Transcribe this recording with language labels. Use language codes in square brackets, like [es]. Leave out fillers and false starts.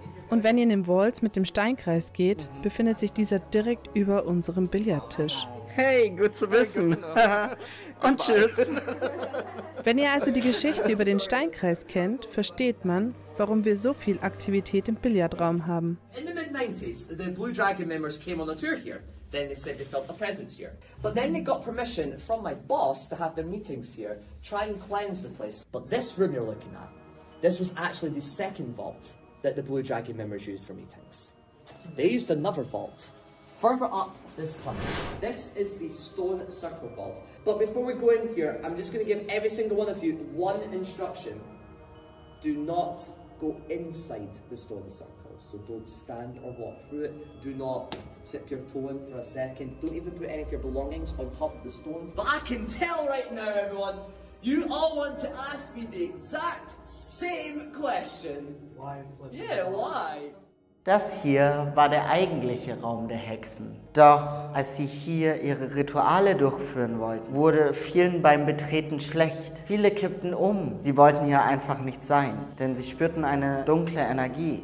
[de] Und wenn ihr in den Vaults mit dem Steinkreis geht, befindet sich dieser direkt über unserem Billardtisch. Hey, gut zu wissen. Und tschüss. Wenn ihr also die Geschichte über den Steinkreis kennt, versteht man, warum wir so viel Aktivität im Billardraum haben. [en] In the mid-90s, the Blue Dragon members came on a tour here. Then they said they felt a presence here. But then they got permission from my boss to have their meetings here, try and cleanse the place. But this room you're looking at, this was actually the second vault that the Blue Dragon members used for meetings. They used another vault. Further up this tunnel, this is the stone circle vault. But before we go in here, I'm just going to give every single one of you one instruction. Do not go inside the stone circle. So don't stand or walk through it. Do not tip your toe in for a second. Don't even put any of your belongings on top of the stones. But I can tell right now, everyone, you all want to ask me the exact same question. Why? Yeah, why? [de] Das hier war der eigentliche Raum der Hexen. Doch als sie hier ihre Rituale durchführen wollten, wurde vielen beim Betreten schlecht. Viele kippten um. Sie wollten hier einfach nicht sein, denn sie spürten eine dunkle Energie.